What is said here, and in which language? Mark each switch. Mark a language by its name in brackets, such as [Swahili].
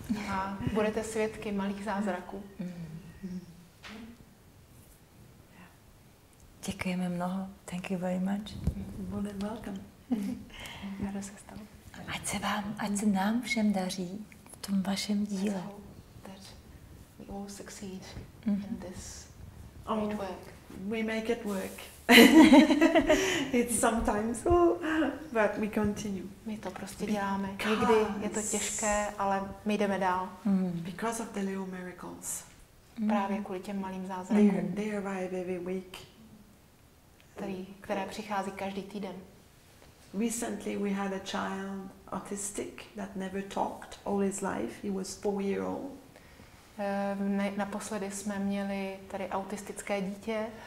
[Czech] A budete svědky malých zázraků. Děkujeme mnoho. [English] Thank you very much. You're welcome. [Czech] Ráda se stalo. Ať se nám všem daří v tom vašem díle. [English] That we all succeed in this great work. We make it work. It's sometimes, but we continue. [Czech] My to prostě děláme. Někdy je to těžké, ale my jdeme dál. [English] Because of the little miracles. [Czech] Právě kvůli těm malým zázrakům. [English] They arrive every week. [Czech] Které přichází každý týden. [English] Recently we had a child autistic that never talked all his life. He was 4-year-old. [Czech] Naposledy jsme měli tady autistické dítě.